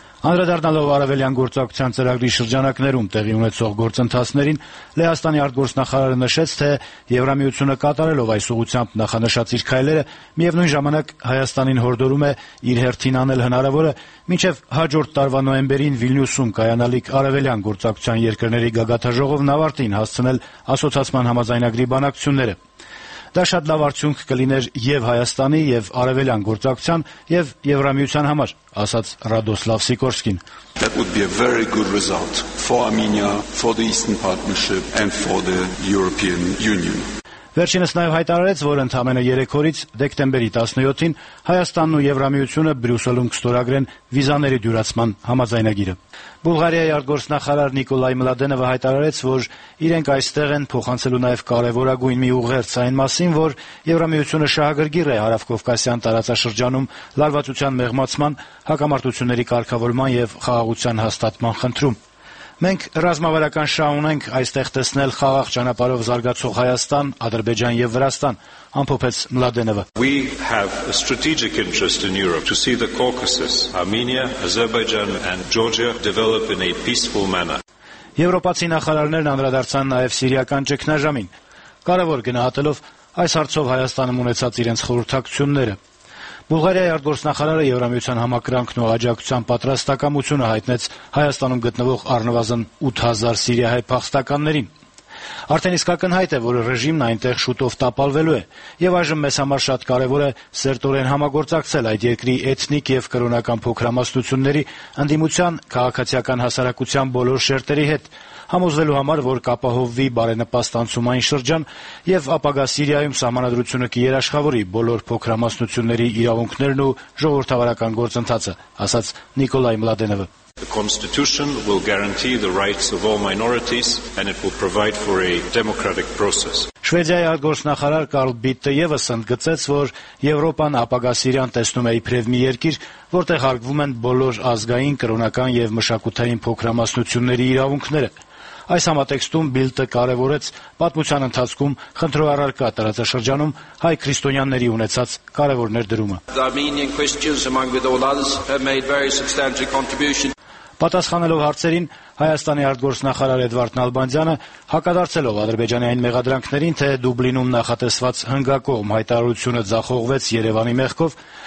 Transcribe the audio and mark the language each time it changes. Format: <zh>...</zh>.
<hy>Անդրադառնալով արևելյան գործակցության ծրագրի շրջանակներում տեղի ունեցող գործընթացներին, Լեհաստանի արտգործնախարարը նշեց, թե Եվրամիությունը կատարելով այս ուղությամբ նախանշած իր քայլերը, միևնույն ժամանակ Հայաստանին հորդորում է իր հերթին անել հնարավորը, մինչև հաջորդ տարվա նոյեմբերին Վիլնյուսում կայանալիք արևելյան գործակցության երկրների գագաթաժողովն ավարտին հասցնել ասոցիացիան համաձայնագրի բանակցությունները։ Դա շատ լավ արդյունք կլիներ եւ Հայաստանի, եւ արևելյան գործակցության, եւ Եվրամիության համար, ասաց Ռադոսլավ Սիկորսկին։</hy> <en>That would be a very good result for Armenia, for the Eastern Partnership and for the European Union.</en> <hy>Վերջինս նաեւ հայտարարեց, որ ընդամենը 3 օրից դեկտեմբերի 17-ին Հայաստանն ու Եվրամիությունը Բրյուսելում կստորագրեն վիզաների դյուրացման համաձայնագիրը։ Բուլղարիայի արտգործնախարար Նիկոլայ Մլադենովը հայտարարեց, որ իրենք այստեղ են փոխանցելու նաև կարևորագույն մի ուղերձ այն մասին, որ Եվրամիությունը շահագրգիռ է Հարավ-Կովկասյան տարածաշրջանում լարվածության մեղմացման, հակամարտությունների կարգավորման եւ խաղաղության հաստատման խնդրում։ Մենք ռազմավարական շահ ունենք այստեղ տեսնել խաղաղ ճանապարհով զարգացող Հայաստան, Ադրբեջան եւ Վրաստան, ամփոփեց Մլադենովը։</hy> <en>We have a strategic interest in Europe to see the Caucasus, Armenia, Azerbaijan and Georgia develop in a peaceful manner.</en> <hy>Եվրոպացի նախարարներն անդրադարձան նաեւ սիրիական ճգնաժամին, կարևոր գնահատելով այս հարցով Հայաստանում ունեցած իրենց խորհրդակցությունները։ Բուլղարիայի արտգործնախարարը Եվրամիության համակրանքն ու աջակցության պատրաստակամությունը հայտնեց Հայաստանում գտնվող առնվազն 8000 սիրիահայ փախստականներին։ Արդեն իսկ ակնհայտ է, որ ռեժիմն այնտեղ շուտով տապալվելու է, եւ այժմ մեզ համար շատ կարեւոր է սերտորեն համագործակցել այդ երկրի էթնիկ եւ կրոնական փոքրամասնությունների ընդդիմության քաղաքացիական հասարակության բոլոր շերտերի հետ, համոզվելու համար, որ կապահովվի բարենպաստանցումային շրջան եւ ապագա Սիրիայում սահմանադրությունը կերաշխավորի բոլոր փոքրամասնությունների իրավունքներն ու ժողովրդավարական գործընթացը, ասաց Նիկոլայ Մլադենովը։</hy> <en>The Constitution will guarantee the rights of all minorities and it will provide for a democratic process.</en> <hy>Շվեդիայի արտգործնախարար Կարլ Բիտը եւս ընդգծեց, որ Եվրոպան ապագա Սիրիան տեսնում է իբրև մի երկիր, որտեղ հարգվում են բոլոր ազգային, կրոնական եւ մշակութային փոքրամասնությունների իրավունքները։ Այս համատեքստում Բիլտը կարևորեց պատմության ընթացքում խնդրոարարքա տարածաշրջանում հայ քրիստոնյաների ունեցած կարևոր ներդրումը։ Պատասխանելով հարցերին, Հայաստանի արտգործնախարար Էդվարդ Նալբանդյանը, հակադարձելով Ադրբեջանի այն մեղադրանքներին, թե Դուբլինում նախատեսված հնգակողմ հայտարարությունը ձախողվեց Երևանի մեղքով,</hy>